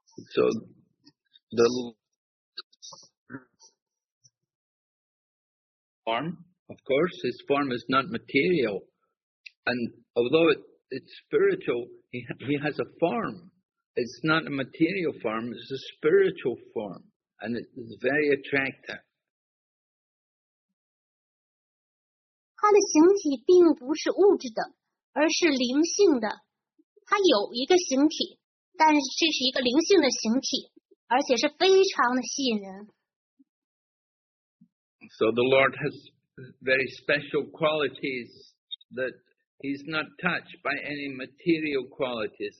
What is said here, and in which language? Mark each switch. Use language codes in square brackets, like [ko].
[en] So the form, of course, his form is not material, and although it's spiritual, he has a form. It's not a material form, it's a spiritual form, and it is very attractive. [zh] 他的形体并不是物质的，而是灵性的。他有一个形体，但是这是一个灵性的形体，而且是非常的吸引人。 [en] So the Lord has very special qualities that he's not touched by any material qualities.